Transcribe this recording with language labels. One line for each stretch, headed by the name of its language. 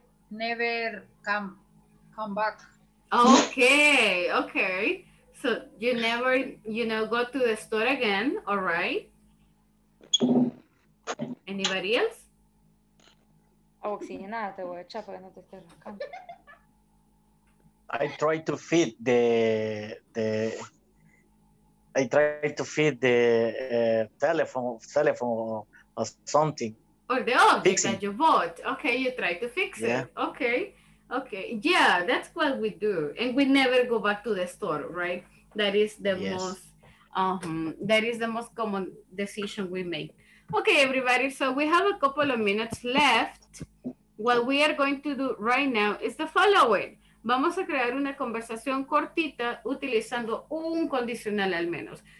English: Never come back. Okay. So you never, you know, go to the store again, all right? Anybody else?
Spanish: Oxigenada te voy a echar para que no te estés roncando.
English: I try to feed the telephone or something. Or the object that you bought. Okay, you try to fix it. Okay. Okay. Yeah, that's what we do. And we never go back to the store, right? That is the most common decision we make. Okay, everybody. So we have a couple of minutes left. What we are going to do right now is the following.
Spanish: Vamos a crear una conversación cortita utilizando un condicional al menos.